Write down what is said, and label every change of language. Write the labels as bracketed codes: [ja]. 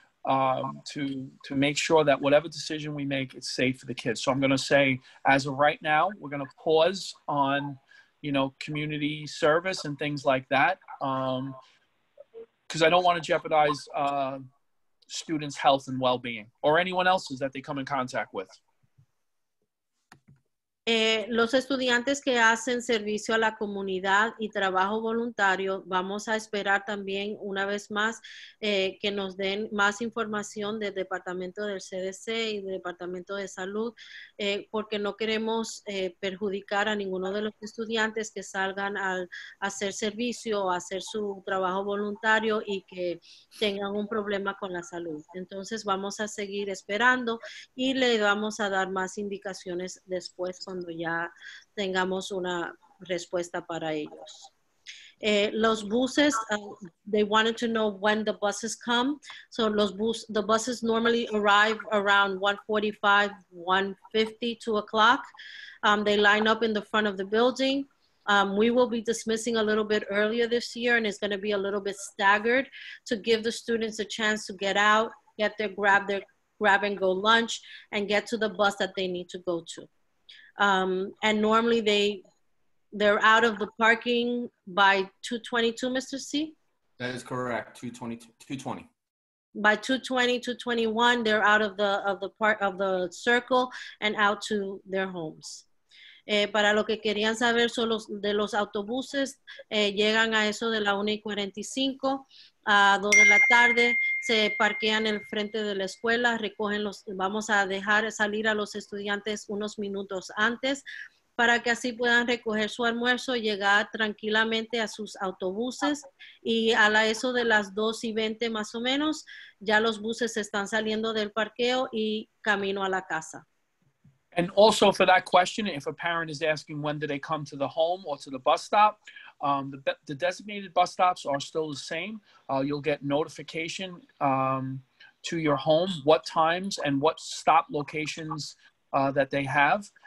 [en] To make sure that whatever decision we make, it's safe for the kids. So I'm going to say, as of right now, we're going to pause on, you know, community service and things like that, because I don't want to jeopardize students' health and well-being or anyone else's that they come in contact with. [es] Los estudiantes que hacen servicio a la comunidad y trabajo voluntario, vamos a esperar también una vez más que nos den más información del departamento del CDC y del departamento de salud, porque no queremos perjudicar a ninguno de los estudiantes que salgan a hacer servicio o hacer su trabajo voluntario y que tengan un problema con la salud. Entonces vamos a seguir esperando y le vamos a dar más indicaciones después cuando ya tengamos una respuesta para ellos. [en] Los buses, they wanted to know when the buses come. So the buses normally arrive around 1:45, 1:50, 2 o'clock. They line up in the front of the building. We will be dismissing a little bit earlier this year, and it's going to be a little bit staggered to give the students a chance to get out, get their grab and go lunch, and get to the bus that they need to go to. And normally they're out of the parking by 2:22, Mr. C? That is correct, 2:20. By 2:20, 2:21, they're out of the circle and out to their homes. [es] Para lo que querían saber son de los autobuses, llegan a eso de la 1:45, 2 de la tarde, se parquean en frente de la escuela, recogen los, vamos a dejar salir a los estudiantes unos minutos antes para que así puedan recoger su almuerzo, llegar tranquilamente a sus autobuses y a la eso de las 2:20 más o menos, ya los buses están saliendo del parqueo y camino a la casa. [en] And also for that question, if a parent is asking when do they come to the home or to the bus stop, the designated bus stops are still the same. You'll get notification to your home what times and what stop locations that they have.